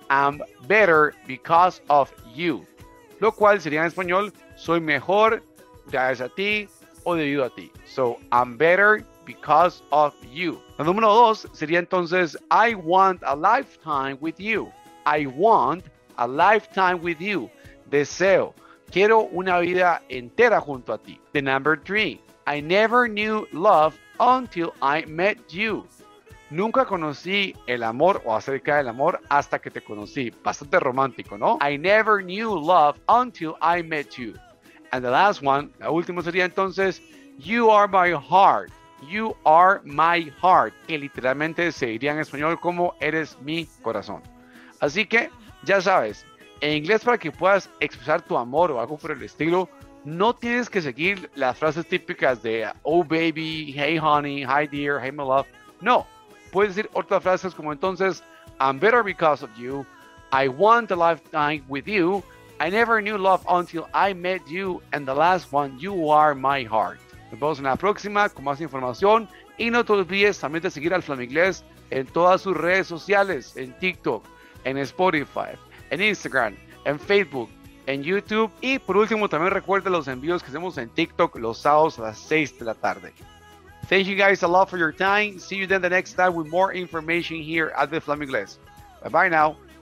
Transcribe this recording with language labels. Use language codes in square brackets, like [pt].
[en] I'm better because of you. [es] Lo cual sería en español, soy mejor gracias a ti o debido a ti. [en] So, I'm better because of you. [es] La número dos sería entonces, [en] I want a lifetime with you. I want a lifetime with you. [es] Deseo, quiero una vida entera junto a ti. [en] The number three, I never knew love until I met you. [es] Nunca conocí el amor o acerca del amor hasta que te conocí. Bastante romántico, ¿no? [en] I never knew love until I met you. And the last one, [es] la última sería entonces, [en] you are my heart. You are my heart. [es] Que literalmente se diría en español como eres mi corazón. Así que, ya sabes, en inglés para que puedas expresar tu amor o algo por el estilo, no tienes que seguir las frases típicas de [en] oh baby, hey honey, hi dear, hey my love. [es] No. Puedes decir otras frases como entonces, [en] I'm better because of you, I want a lifetime with you, I never knew love until I met you, and the last one, you are my heart. [es] Nos vemos en la próxima con más información, y no te olvides también de seguir al Flamingles en todas sus redes sociales, en TikTok, en Spotify, en Instagram, en Facebook, en YouTube, y por último también recuerda los envíos que hacemos en TikTok los sábados a las 6 de la tarde. [en] Thank you guys a lot for your time. See you then the next time with more information here at the Flamingles. Bye bye now.